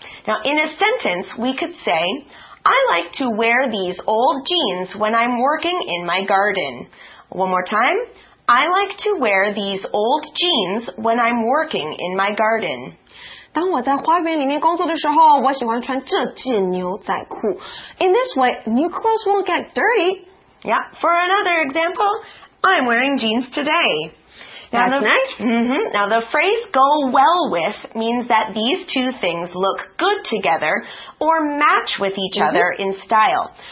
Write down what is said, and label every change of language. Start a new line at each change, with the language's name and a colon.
English: Now in a sentence, we could say, I like to wear these old jeans when I'm working in my garden. One more time. I like to wear these old jeans when I'm working in my garden.
Chinese: 当我在花园里面工作的时候，我喜欢穿这件牛仔裤。
English: In this way, new clothes won't get dirty. Yeah, for another example, I'm wearing jeans today. Now the phrase go well with means that these two things look good together or match with each other in style.